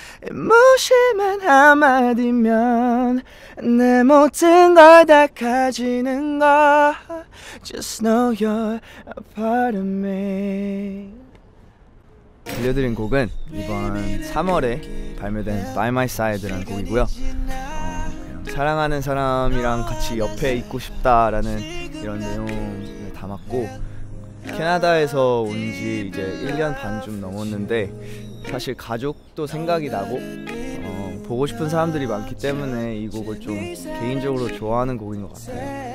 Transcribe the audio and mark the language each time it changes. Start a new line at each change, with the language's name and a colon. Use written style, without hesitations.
Korean: 무심한 한마디면 내 모든 걸 다 가지는 거.
English: Just know you're a part of me.
Korean: 들려드린 곡은 이번 3월에 발매된 By My Side라는 곡이고요. 그냥 사랑하는 사람이랑 같이 옆에 있고 싶다라는 이런 내용을 담았고, 캐나다에서 온 지 이제 1년 반 좀 넘었는데 사실 가족도 생각이 나고 보고 싶은 사람들이 많기 때문에 이 곡을 좀 개인적으로 좋아하는 곡인 것 같아요.